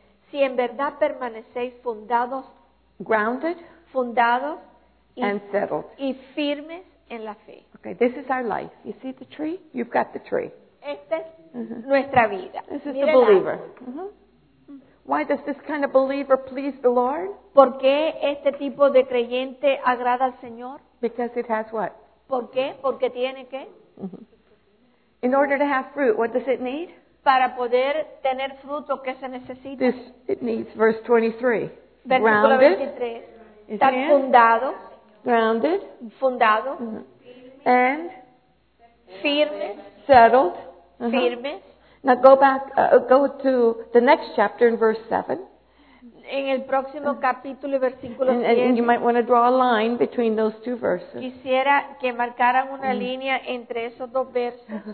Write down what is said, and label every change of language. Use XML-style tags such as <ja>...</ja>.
<es>si en verdad permanecéis fundados,</es> <en>grounded,</en> <es>fundados,</es> <en>and settled,</en> <es>y firmes en la fe.</es> <en>Okay, this is our life. You see the tree? You've got the tree.</en> <es>Esta es mm-hmm. nuestra vida.</es> <en>This is Mírela. The believer. Mm-hmm. Why does this kind of believer please the Lord?</en> <es>¿Por qué este tipo de creyente agrada al Señor?</es> <en>Because it has what?</en> <es>¿Por qué? Porque tiene qué? Mm-hmm.</es> <en>In order to have fruit, what does it need?</en> <es>Para poder tener fruto, ¿qué se necesita?</es> <en>This, it needs verse 23.</en> <es>Versículo</es> <en>grounded.</en> <es>23. Estar fundado.</es> <en>Grounded.</en> <es>Fundado.</es> <en>Mm-hmm. And?</en> <es>Firme.</es> <en>Settled.</en> <es>Uh-huh. Firmes.</es> <en>Now go back, go to the next chapter in verse 7.</en> <es>en el próximo capítulo y versículo 10.</es> <en>And you might want to draw a line between those two verses.</en> <es>Quisiera que marcaran una línea entre esos dos versos.</es>